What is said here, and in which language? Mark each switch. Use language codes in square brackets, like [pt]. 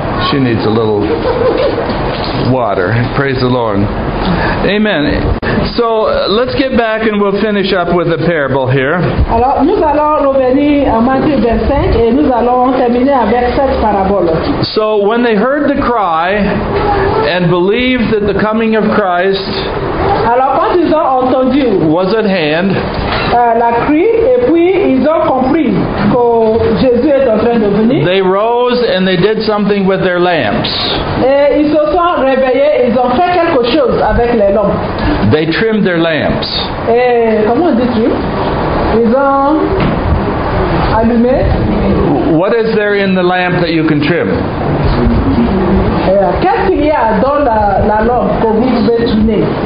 [en] She needs a little water. Praise the Lord. Amen. So let's get back and we'll finish up with a parable here. [fr] Alors, nous allons revenir à Matthieu 25 et nous allons terminer avec cette parabole. [en] So when they heard the cry and believed that the coming of Christ [fr] alors, quand ils ont entendu, [en] was at hand, [fr] la cri, et puis ils ont compris que Jésus est en train de venir. [en] They rose and they did something with their lamps. [fr] Et ils se sont réveillés, ils ont fait quelque chose avec les lampes. [en] They trimmed their lamps. [fr] Et comment dis-tu? Ils ont allumé. [en] What is there in the lamp that you can trim? [fr] Qu'est-ce qu'il y a dans la lampe que vous pouvez trimmer?